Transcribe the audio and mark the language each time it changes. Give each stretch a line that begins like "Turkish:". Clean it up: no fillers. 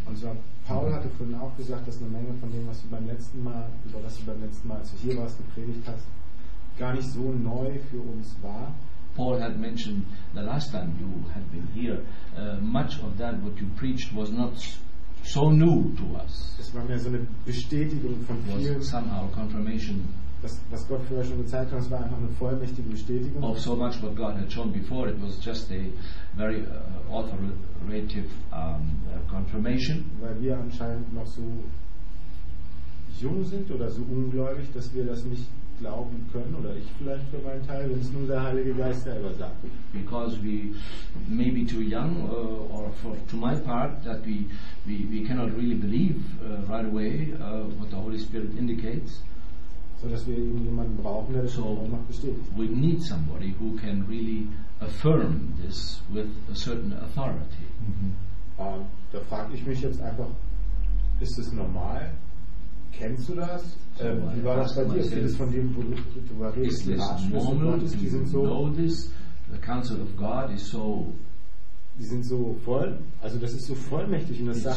German: Und zwar, Paul hatte vorhin auch gesagt, dass eine Menge von dem, was du beim letzten Mal, über das du beim letzten Mal, als du hier warst, gepredigt hast, gar nicht so neu für uns war.
English: Paul had mentioned the last time you had been here, much of that what you preached was not so new to us.
German: Es war mehr so eine Bestätigung von vielen.
English: Was somehow confirmation.
German: Was Gott vorher schon gezeigt hat, es war einfach eine vollmächtige Bestätigung.
English: Of so much what God had shown before, it was just a very authoritative confirmation.
German: Weil wir anscheinend noch so jung sind oder so ungläubig, dass wir das nicht glauben können, oder ich vielleicht für meinen Teil, wenn es nur der Heilige Geist selber sagt.
English: Because we may be too young, or for to my part, that we cannot really believe right away what the Holy Spirit indicates.
German: So dass wir irgendjemanden brauchen, der das so auch noch besteht.
English: We need somebody who can really affirm this with a certain authority. Mm-hmm.
German: Da frage ich mich jetzt einfach, ist es normal? Kennst du das? Wie war das bei dir? Ist das von dem, worüber du redest?
English: Is this normal?
German: Die sind so,
English: know this? The counsel of God is so.
German: Die sind so voll. Also das ist so vollmächtig und das sagt